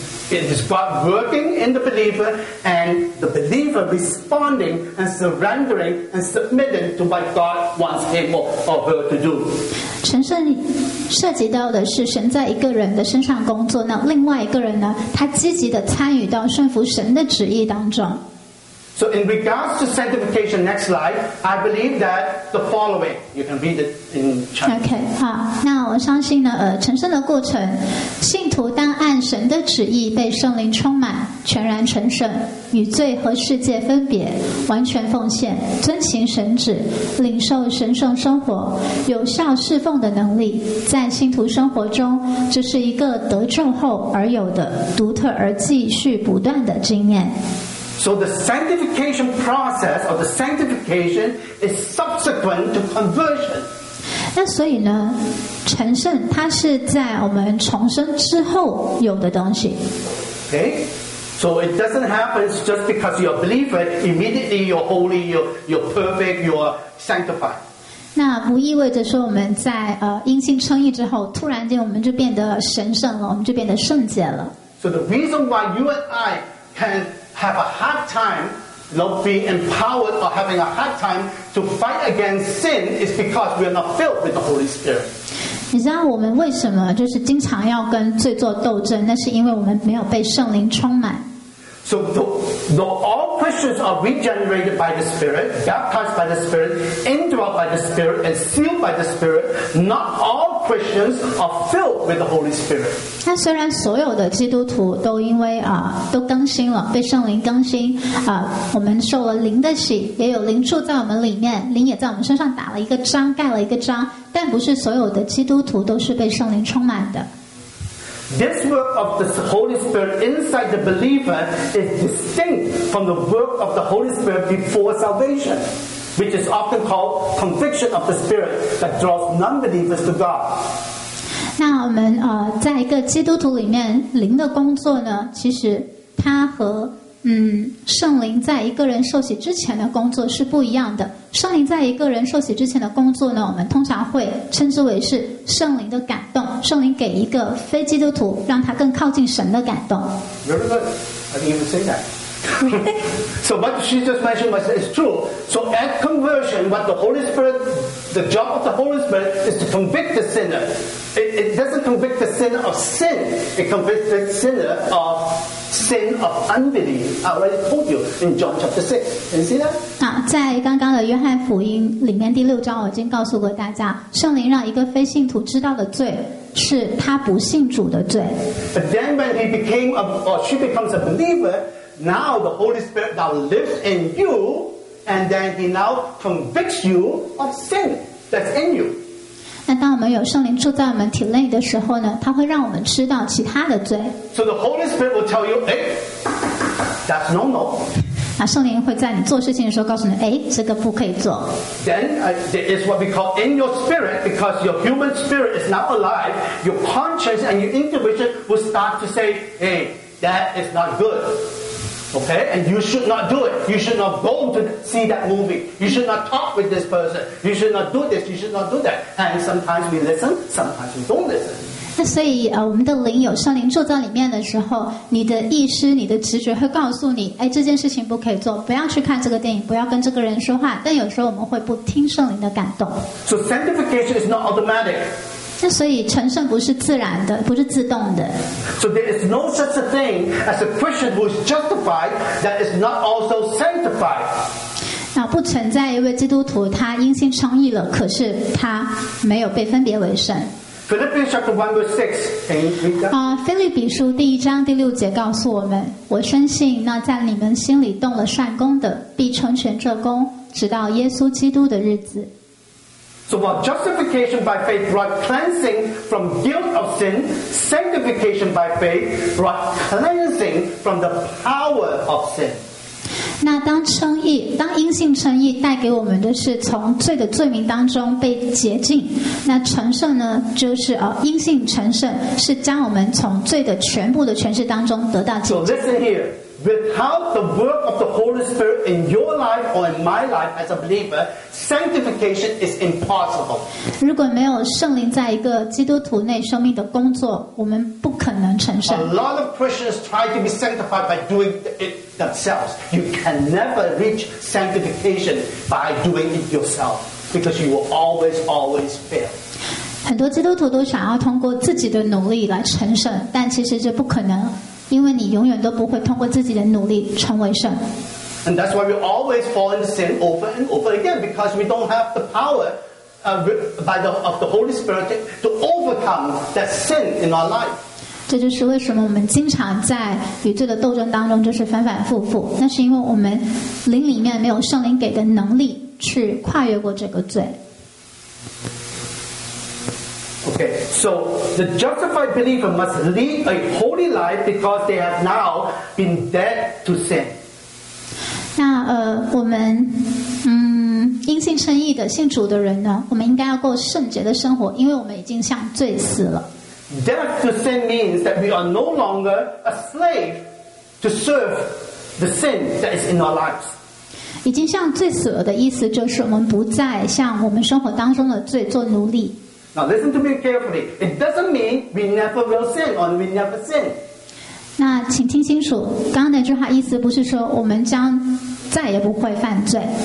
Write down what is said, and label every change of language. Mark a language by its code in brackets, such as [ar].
[en] It is God working in the believer, and the believer responding and surrendering and submitting to what God wants him or her to do. [zh] 成圣涉及到的是神在一个人的身上工作，那另外一个人呢，他积极的参与到顺服神的旨意当中。 [en] So in regards to sanctification, next slide, I believe that the following, you can read it in Chinese. [zh] Okay, 好，那我相信呢，成圣的过程，信徒当按神的旨意被圣灵充满，全然成圣，与罪和世界分别，完全奉献，遵行神旨，领受神圣生活，有效侍奉的能力，在信徒生活中，这是一个得救后而有的独特而继续不断的经验。 [en] So the sanctification process or the sanctification is subsequent to conversion. [zh] 那所以呢，成圣它是在我们重生之后有的东西。 [en] Okay, so it doesn't happen just because you're a believer. Immediately you're holy, you're perfect, you're sanctified. [zh] 那不意味着说我们在因信称义之后，突然间我们就变得神圣了，我们就变得圣洁了。 [en] So the reason why you and I canhave a hard time not being empowered or having a hard time to fight against sin is because we are not filled with the Holy Spirit. [zh] 你知道我们为什么就是经常要跟罪做斗争，那是因为我们没有被圣灵充满。 [en] So though all Christians are regenerated by the Spirit, baptized by the Spirit, indwelt by the Spirit, and sealed by the Spirit, not all Christians are filled with the Holy Spirit. [zh] 那虽然所有的基督徒都因为都更新了，被圣灵更新我们受了灵的洗，也有灵住在我们里面，灵也在我们身上打了一个章，盖了一个章，但不是所有的基督徒都是被圣灵充满的。 [en] This work of the Holy Spirit inside the believer is distinct from the work of the Holy Spirit before salvation, which is often called conviction of the Spirit that draws non-believers to God. [zh] 那我们在一个基督徒里面，灵的工作呢，其实它和圣灵在一个人受洗之前的工作是不一样的。圣灵在一个人受洗之前的工作呢，我们通常会称之为是圣灵的感动，圣灵给一个非基督徒让他更靠近神的感动。 [en] Very good. I didn't even say that. So what she just mentioned was, is true. So at conversion, what the Holy Spirit, the job of the Holy Spirit is to convict the sinner. It doesn't convict the sinner of sin. It convicts the sinner of sin of unbelief. I already told you in John chapter 6. Can you see that? [zh] 在刚刚的约翰福音里面第六章，我已经告诉过大家，圣灵让一个非信徒知道的罪是他不信主的罪。 [en] But then when he became a, or she becomes a believer, now the Holy Spirit now lives in you, and then he now convicts you of sin that's in you. [zh] 那当我们有圣灵住在我们体内的时候呢，他会让我们知道其他的罪。 [en] So the Holy Spirit will tell you, hey, that's no no. [zh] 那圣灵会在你做事情的时候告诉你，哎，这个不可以做。 [en] Then there is what we call in your spirit, because your human spirit is not alive. Your conscience and your intuition will start to say, "Hey, that is not good." Okay, and you should not do it. You should not go to see that movie. You should not talk with this person. You should not do this. You should not do that. And sometimes we listen, sometimes we don't listen. [zh] 那所以我们的灵有圣灵住在里面的时候，你的意识、你的直觉会告诉你，哎，这件事情不可以做，不要去看这个电影，不要跟这个人说话。但有时候我们会不听圣灵的感动。 [en] So sanctification is not automatic. [zh] 那所以成圣不是自然的，不是自动的。 [en] So there is no such a thing as a Christian who is justified that is not also sanctified. [zh] 那不存在一位基督徒，他因信称义了，可是他没有被分别为圣。 [en] Philippians chapter 1 verse 6. Can you read that? [zh] 菲律比书第一章第六节告诉我们，我深信那在你们心里动了善功的，必成全这功，直到耶稣基督的日子。 [en] So while justification by faith brought cleansing from guilt of sin, sanctification by faith brought cleansing from the power of sin. [zh] 那当称义，当因信称义带给我们的是从罪的罪名当中被洁净，那成圣呢，就是因信成圣是将我们从罪的全部的诠释当中得到洁净。 [en] So listen here, without the work of the Holy Spirit in your life or in my life as a believer, sanctification is impossible. [zh] 如果没有圣灵在一个基督徒内生命的工作，我们不可能成圣。 [en] A lot of Christians try to be sanctified by doing itthemselves. You can never reach sanctification by doing it yourself, because you will always, always fail. [zh] 很多基督徒都想要通过自己的努力来成圣，但其实这不可能，因为你永远都不会通过自己的努力成为圣。 [en] And that's why we always fall into sin over and over again, because we don't have the power of the Holy Spirit to overcome that sin in our life. [zh] 这就是为什么我们经常在与罪的斗争当中就是反反复复，那是因为我们灵里面没有圣灵给的能力去跨越过这个罪。 [en] Okay, so the justified believer must lead a holy life because they have now been dead to sin. [zh] 那我们因信称义的信主的人呢，我们应该要过圣洁的生活，因为我们已经向罪死了。 [en] Death to sin means that we are no longer a slave to serve the sin that is in our lives. [zh] 已经向罪死了的意思就是我们不再向我们生活当中的罪做奴隶。 [en] Now listen to me carefully. It doesn't mean we never will sin or we never sin. [zh] 那请听清楚，刚刚那句话意思不是说我们将再也不会犯罪。